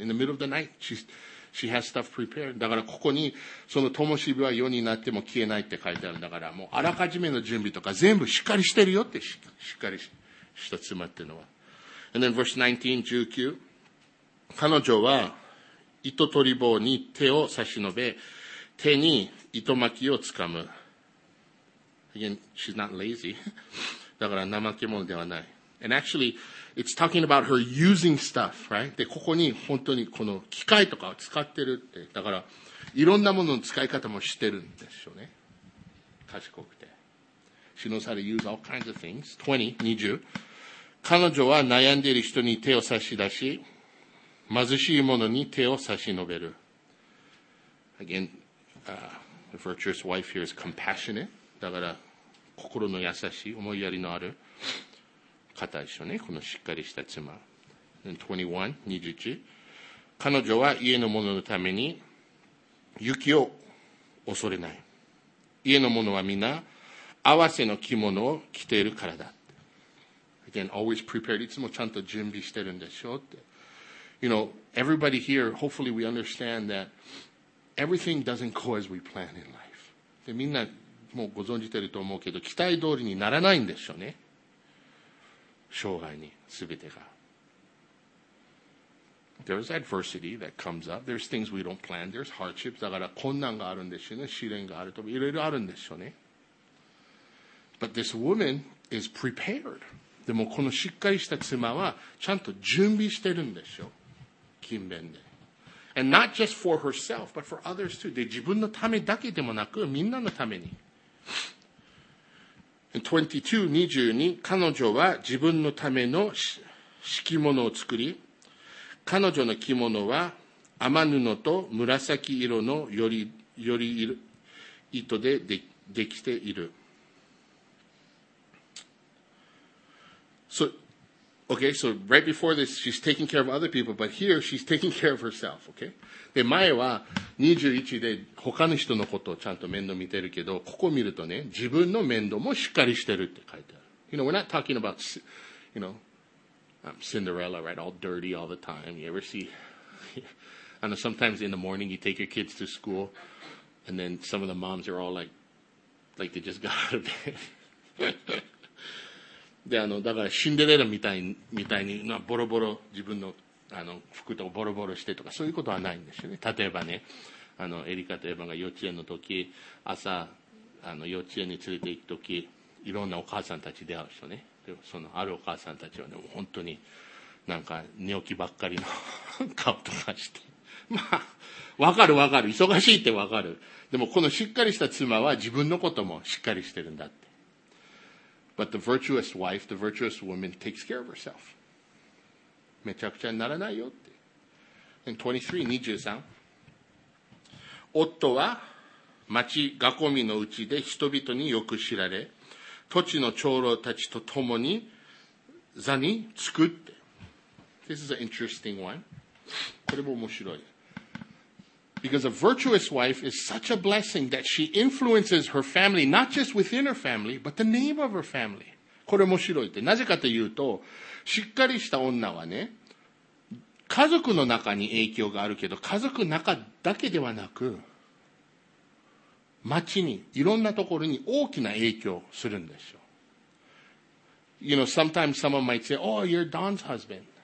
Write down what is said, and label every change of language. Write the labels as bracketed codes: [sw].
[en] In the middle of the night, she has stuff prepared. [ja] だからここにその灯火は夜になっても消えないって書いてあるんだから、もうあらかじめの準備とか全部しっかりしてるよって、しっかりした妻っていうのは。 [en] And then verse 19, 19。 [ja] 彼女は糸取り棒に手を差し伸べ、手に糸巻きをつかむ。 [en] Again, she's not lazy. [ja] だから怠け者ではない。 [en] And actually, it's talking about her using stuff, right? [ja] で、ここに本当にこの機械とかを使ってるって。だから、いろんなものの使い方もしてるんでしょうね。賢くて。 [en] She knows how to use all kinds of things. [ja] 20。彼女は悩んでいる人に手を差し出し、貧しい者に手を差し伸べる。 [en] Again, a virtuous wife here is compassionate. [ja] だから、心の優しい、思いやりのある方でしょうね。このしっかりした妻。21、21。彼女は家の者のために雪を恐れない。家の者は皆、合わせの着物を着ているからだ。 [en] Again, always prepared. [ja] いつもちゃんと準備してるんでしょうって。 [en] You know, everybody here, hopefully we understand that everything doesn't go as we plan in life. [ja] で、みんなもうご存じてると思うけど、期待通りにならないんでしょうね。生涯に全てが。 [en] There's adversity that comes up. There's things we don't plan. There's hardships. [ja] だから困難があるんでしょうね。試練があると。いろいろあるんでしょうね。 [en] But this woman is prepared. [ja] でもこのしっかりした妻はちゃんと準備してるんでしょう。勤勉で。 [en] And not just for herself, but for others too. [ja] で、自分のためだけでもなく、みんなのために。 22、22、彼女は自分のための敷物を作り、彼女の着物は天布と紫色のより糸で できている。 [en] So right before this, she's taking care of other people, but here she's taking care of herself, okay? [ja] で、前は21で他の人のことをちゃんと面倒見てるけど、ここ見るとね、自分の面倒もしっかりしてるって書いてある。 [en] You know, we're not talking about, you know, Cinderella, right? All dirty all the time. You ever see? I know sometimes in the morning you take your kids to school, and then some of the moms are all like they just got out of bed. [ja] で、だから、シンデレラみたいに、ボロボロ、自分の、服とかボロボロしてとか、そういうことはないんですよね。例えばね、エリカとエヴァが幼稚園の時、朝、幼稚園に連れて行く時、いろんなお母さんたち出会う人ね。でも、その、あるお母さんたちはね、本当に、なんか、寝起きばっかりの顔とかして。まあ、わかるわかる。忙しいってわかる。でも、このしっかりした妻は、自分のこともしっかりしてるんだって。 [en] But the virtuous wife, the virtuous woman takes care of herself. [ja] めちゃくちゃにならないよって。 [en] And 23, 23. [ja] 夫は町囲みのうちで人々によく知られ、土地の長老たちと共に座に作って。 [en] This is an interesting one. [ja] これも面白い。 [en] Because a virtuous wife is such a blessing that she influences her family, not just within her family, but the name of her family. [ja] これ面白いって。なぜかというと、しっかりした女はね、家族の中に影響があるけど、家族の中だけではなく、町に、いろんなところに大きな影響するんですよ。 [en] You know, sometimes someone might say, oh, you're Don's husband.